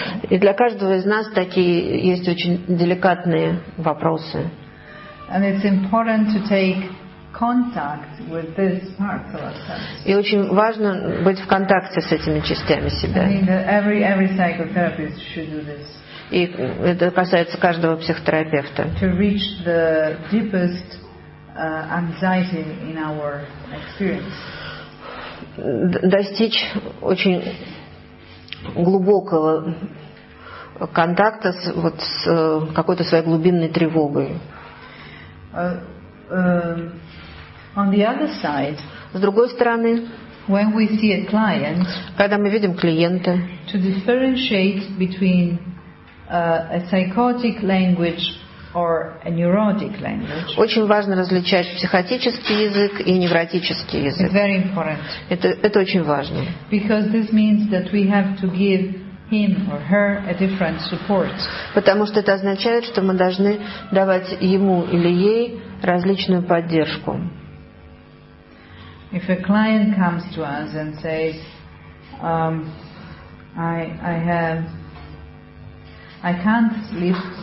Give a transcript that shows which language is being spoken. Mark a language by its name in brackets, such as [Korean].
[Russian] И для каждого из нас такие есть очень деликатные вопросы. [English] And it's important to take contact with this part of ourselves. [Russian] И очень важно быть в контакте с этими частями себя. [English] I mean, every psychotherapist should do this. [Russian] И это касается каждого психотерапевта. [English] To reach the deepest anxiety in our experience. [Russian] Достичь очень глубокого контакта с, вот, с какой-то своей глубинной тревогой. [English] On the other side, [Russian] с другой стороны, [English] when we see a client, [Russian] когда мы видим клиента, [English] to differentiate between a psychotic language or a neurotic language, [Russian] очень важно различать психотический язык и невротический язык. [English] It's very important. [Russian] Это очень важно. [English] Because this means that we have to give him or her a different support. [Russian] Потому что это означает, что мы должны давать ему или ей различную поддержку. [English] If a client comes to us and says, I can't sleep.